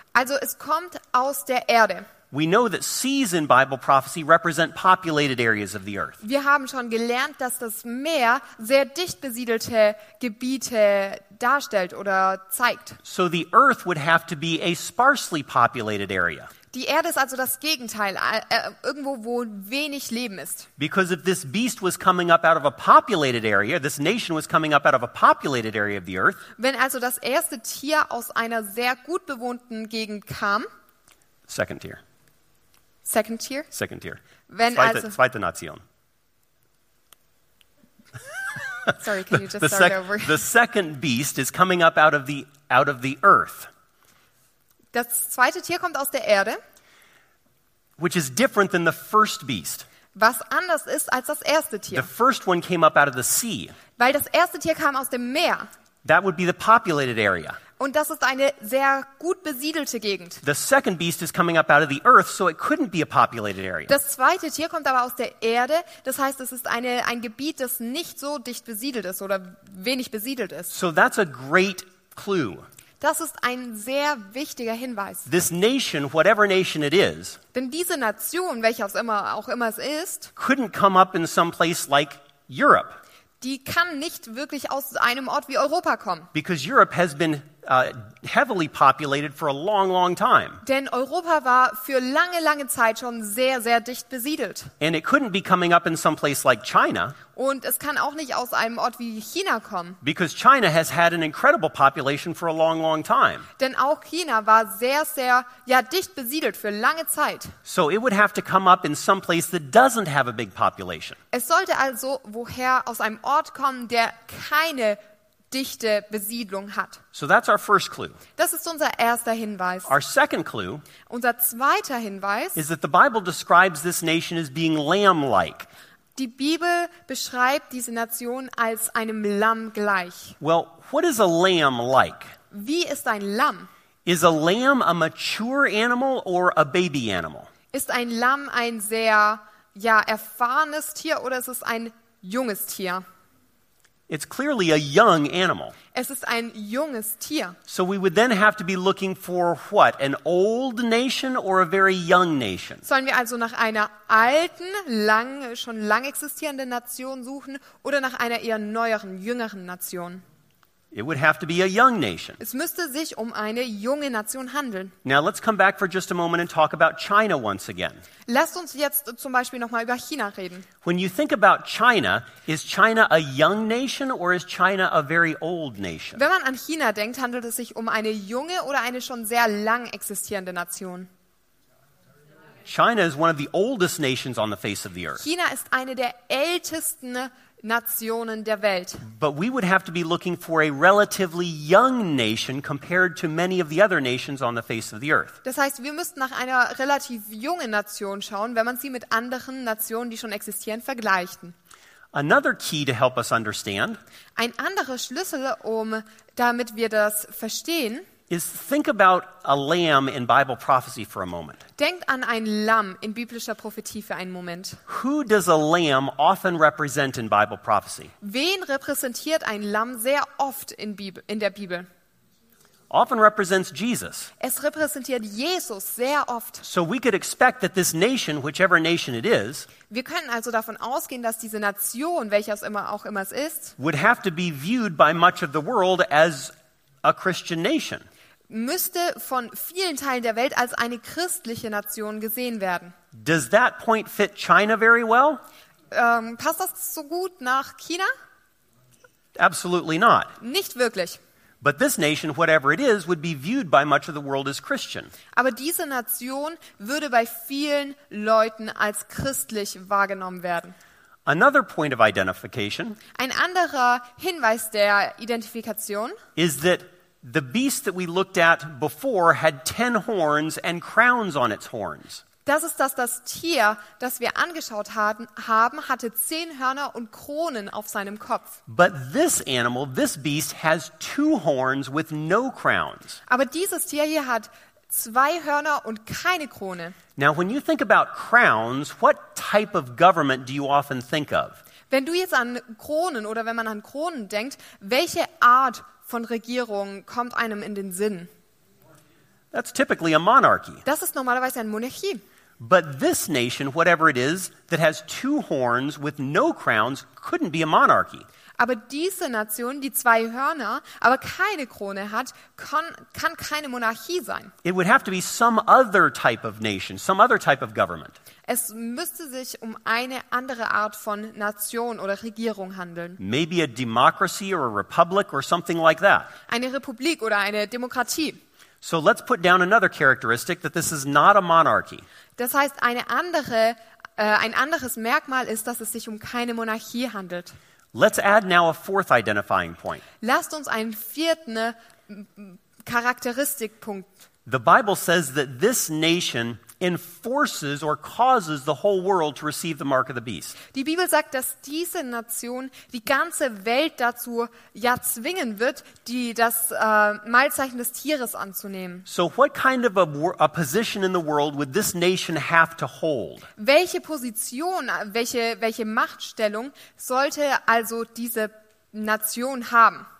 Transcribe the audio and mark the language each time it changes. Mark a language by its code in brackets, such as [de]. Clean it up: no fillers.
[de] Also es kommt aus der Erde. [en] We know that seas in Bible prophecy represent populated areas of the earth. [de] Wir haben schon gelernt, dass das Meer sehr dicht besiedelte Gebiete darstellt oder zeigt. [en] So the earth would have to be a sparsely populated area. [de] Die Erde ist also das Gegenteil, irgendwo wo wenig Leben ist. [en] Because if this beast was coming up out of a populated area, this nation was coming up out of a populated area of the earth. [de] Wenn also das erste Tier aus einer sehr gut bewohnten Gegend kam, [en] Second tier. [de] Wenn zweite Nation. [en] Sorry, can you just start over? The second beast is coming up out of the earth. [de] Das zweite Tier kommt aus der Erde. [en] Which is different than the first beast. [de] Was anders ist als das erste Tier. [en] The first one came up out of the sea. [de] Weil das erste Tier kam aus dem Meer. [en] That would be the populated area. [de] Und das ist eine sehr gut besiedelte Gegend. [en] The second beast is coming up out of the earth, so it couldn't be a populated area. [de] Das zweite Tier kommt aber aus der Erde, das heißt, es ist ein Gebiet, das nicht so dicht besiedelt ist oder wenig besiedelt ist. [en] So that's a great clue. [de] Das ist ein sehr wichtiger Hinweis. [en] This nation, whatever nation it is, [de] denn diese Nation, welche auch immer es ist, [en] couldn't come up in some place like Europe. [de] Die kann nicht wirklich aus einem Ort wie Europa kommen. [en] Because Europe has been heavily populated for a long, long time. [de] Denn Europa war für lange, lange Zeit schon sehr, sehr dicht besiedelt. [en] And it couldn't be coming up in some place like China. [de] Und es kann auch nicht aus einem Ort wie China kommen. [en] Because China has had an incredible population for a long, long time. [de] Denn auch China war sehr, sehr dicht besiedelt für lange Zeit. [en] So it would have to come up in some place that doesn't have a big population. [de] Es sollte also woher aus einem Ort kommen, der keine dichte Besiedlung hat. [en] So that's our first clue. [de] Das ist unser erster Hinweis. [en] Our second clue. [de] Unser zweiter Hinweis. [en] Is that the Bible describes this nation as being lamb-like. [de] Die Bibel beschreibt diese Nation als einem Lamm gleich. [en] Well, what is a lamb like? [de] Wie ist ein Lamm? [en] Is a lamb a mature animal or a baby animal? [de] Ist ein Lamm ein sehr erfahrenes Tier oder ist es ein junges Tier? [en] It's clearly a young animal. [de] Es ist ein junges Tier. [en] So we would then have to be looking for what? An old nation or a very young nation? [de] Sollen wir also nach einer alten, schon lang existierenden Nation suchen oder nach einer eher neueren, jüngeren Nation? [en] It would have to be a young nation. [de] Es müsste sich um eine junge Nation handeln. [en] Now let's come back for just a moment and talk about China once again. [de] Lasst uns jetzt zum Beispiel noch mal über China reden. [en] When you think about China, is China a young nation or is China a very old nation? [de] Wenn man an China denkt, handelt es sich um eine junge oder eine schon sehr lang existierende Nation? [en] China is one of the oldest nations on the face of the earth. [de] China ist eine der ältesten Nationen der Welt. [en] But we would have to be looking for a relatively young nation compared to many of the other nations on the face of the earth. [de] Das heißt, wir müssten nach einer relativ jungen Nation schauen, wenn man sie mit anderen Nationen, die schon existieren, vergleicht. [en] Another key to help us understand. [de] Ein anderer Schlüssel, damit wir das verstehen, [en] is think about a lamb in Bible prophecy for a moment. [de] Denkt an ein Lamm in biblischer Prophetie für einen Moment. [en] Who does a lamb often represent in Bible prophecy? [de] Wen repräsentiert ein Lamm sehr oft in der Bibel? [en] Often represents Jesus. [de] Es repräsentiert Jesus sehr oft. [en] So we could expect that this nation, whichever nation it is, [de] wir können also davon ausgehen, dass diese Nation, welche auch immer es ist, [en] would have to be viewed by much of the world as a Christian nation. [de] Müsste von vielen Teilen der Welt als eine christliche Nation gesehen werden. [en] Does that point fit China very well? [de] Passt das so gut nach China? [en] Absolutely not. [de] Nicht wirklich. [en] But this nation, whatever it is, would be viewed by much of the world as Christian. [de] Aber diese Nation würde bei vielen Leuten als christlich wahrgenommen werden. [en] Another point of identification. [de] Ein anderer Hinweis der Identifikation. [en] Is that the beast that we looked at before had 10 horns and crowns on its horns. [de] Das ist das Tier, das wir angeschaut haben, hatte 10 Hörner und Kronen auf seinem Kopf. [en] But this animal, this beast, has 2 horns with no crowns. [de] Aber dieses Tier hier hat 2 Hörner und keine Krone. [en] Now, when you think about crowns, what type of government do you often think of? [de] Wenn du jetzt an Kronen oder wenn man an Kronen denkt, welche Art von Regierung kommt einem in den Sinn? [en] That's typically a monarchy. [de] Das ist normalerweise eine Monarchie. [en] But this nation, whatever it is, that has 2 horns with no crowns, couldn't be a monarchy. [de] Aber diese Nation, die 2 Hörner, aber keine Krone hat, kann keine Monarchie sein. [en] It would have to be some other type of nation, some other type of government. [de] Es müsste sich um eine andere Art von Nation oder Regierung handeln. [en] Maybe a democracy or a republic or something like that. [de] Eine Republik oder eine Demokratie. [en] So let's put down another characteristic that this is not a monarchy. [de] Das heißt, ein anderes Merkmal ist, dass es sich um keine Monarchie handelt. [en] Let's add now a fourth identifying point. [de] Lasst uns einen vierten Charakteristikpunkt. [en] The Bible says that this nation enforces or causes the whole world to receive the mark of the beast. [de] Die Bibel sagt, dass diese Nation die ganze Welt dazu ja zwingen wird, das Malzeichen des Tieres anzunehmen. [en] So what kind of a position in the world would this nation have to hold? [de] Welche Position, welche Machtstellung sollte also diese Nation haben?